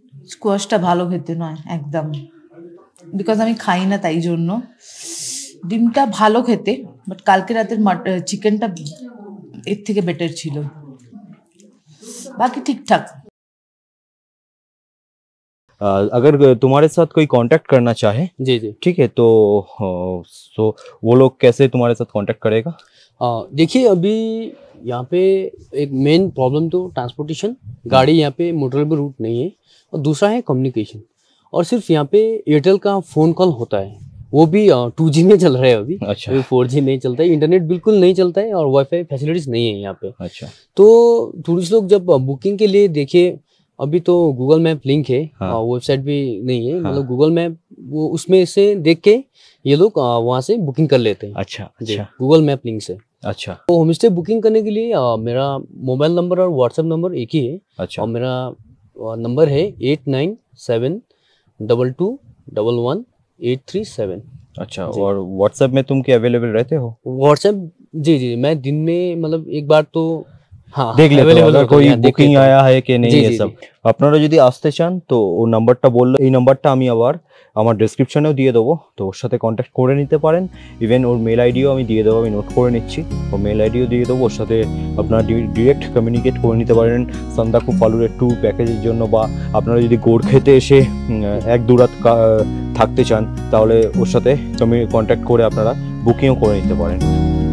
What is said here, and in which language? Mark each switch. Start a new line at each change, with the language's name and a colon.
Bangla: স্কোয়াশটা ভালো খেতে নয় একদম, বিকজ আমি খাই না তাই জন্য। ডিমটা ভালো খেতে, বাট কালকে রাতের চিকেনটা এর থেকে বেটার ছিল, বাকি ঠিকঠাক।
Hindi: अगर तुम्हारे साथ कोई कांटेक्ट करना चाहे, जी जी ठीक है, तो सो वो लोग कैसे तुम्हारे साथ कांटेक्ट करेगा? देखिए अभी यहाँ पे एक मेन प्रॉब्लम तो ट्रांसपोर्टेशन, गाड़ी यहाँ पे मोटरवे रूट नहीं है, और दूसरा है कम्युनिकेशन, और सिर्फ यहाँ पे एयरटेल का फ़ोन कॉल होता है, वो भी 2G में चल रहा है अभी। अच्छा, अभी 4G नहीं चलता है, इंटरनेट बिल्कुल नहीं चलता है, और वाईफाई फैसिलिटीज नहीं है यहाँ पे। अच्छा, तो टूरिस्ट लोग जब बुकिंग के लिए देखे, अभी तो गूगल मैप लिंक है, हाँ, वेबसाइट भी नहीं है, हाँ, मतलब गूगल मैप वो उसमें से देख के ये लोग वहाँ से बुकिंग कर लेते हैं। अच्छा, अच्छा, गूगल मैप लिंक से। अच्छा, तो होम स्टे बुकिंग करने के लिए मेरा मोबाइल नंबर और व्हाट्सएप नंबर एक ही है। अच्छा, और मेरा नंबर है 8972211837। अच्छा, और व्हाट्सएप में तुम क्या अवेलेबल रहते हो? व्हाट्सएप जी जी, मैं दिन में मतलब एक बार तो
Bangla: ডিরেক্ট কমিউনিকেট করে নিতে পারেন সন্ধ্যা খুব পালুরের ট্যুর প্যাকেজের জন্য, বা আপনারা যদি গোরখেতে এসে এক দুরাত থাকতে চান তাহলে ওর সাথে কন্ট্যাক্ট করে আপনারা বুকিংও করে নিতে পারেন।